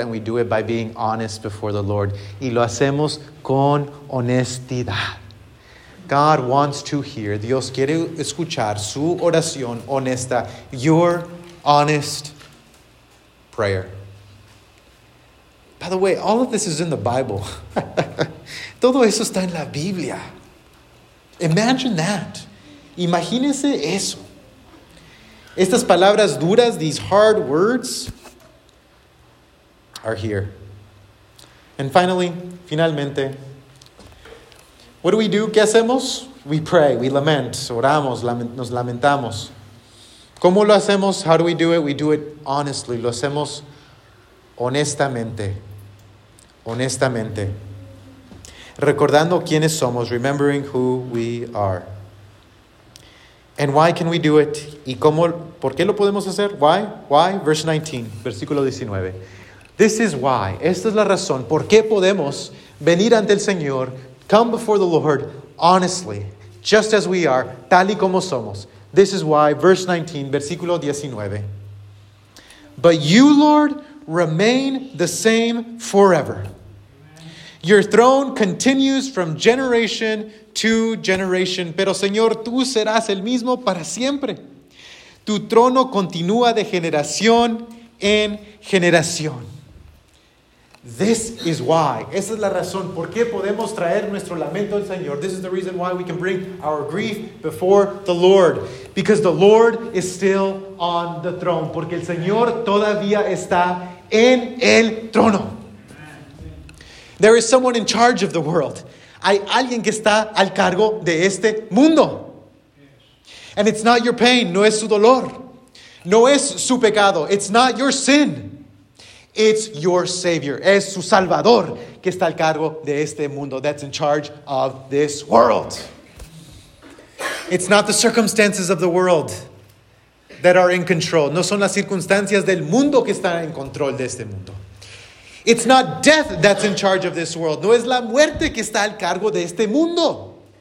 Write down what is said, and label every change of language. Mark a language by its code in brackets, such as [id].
[en] And we do it by being honest before the Lord. [es] Y lo hacemos con honestidad. [en] God wants to hear. [es] Dios quiere escuchar su oración honesta. [en] Your honest prayer. By the way, all of this is in the Bible. [es] Todo eso está en la Biblia. [en] Imagine that. [es] Imagínese eso. Estas palabras duras, [en] these hard words, are here. And finally, finalmente, what do? [es] ¿Qué hacemos? [en] We pray, we lament, [es] oramos, nos lamentamos. ¿Cómo lo hacemos? [en] How do we do it? We do it honestly. [es] Lo hacemos honestamente. Honestamente. Recordando quiénes somos, [en] remembering who we are. And why can we do it? [es] ¿Y cómo, por qué lo podemos hacer? [en] Why? Why? Verse 19, [es] versículo 19. [en] This is why. [es] Esta es la razón. ¿Por qué podemos venir ante el Señor, [en] come before the Lord, honestly, just as we are, [es] tal y como somos? [en] This is why, verse 19, [es] versículo 19. [en] But you, Lord, remain the same forever. Your throne continues from generation to generation. [es] Pero Señor, tú serás el mismo para siempre. Tu trono continúa de generación en generación. [en] This is why. [es] Esa es la razón. ¿Por qué podemos traer nuestro lamento al Señor? [en] This is the reason why we can bring our grief before the Lord. Because the Lord is still on the throne. [es] Porque el Señor todavía está en el trono. [en] There is someone in charge of the world. [es] Hay alguien que está al cargo de este mundo. [en] And it's not your pain. [es] No es su dolor. No es su pecado. [en] It's not your sin. It's your Savior. [es] Es su Salvador que está al cargo de este mundo. [en] That's in charge of this world. It's not the circumstances of the world that are in control. [es] No son las circunstancias del mundo que están en control de este mundo. [en] It's not death that's in charge of this world. [es] No es la muerte que está al cargo de este mundo.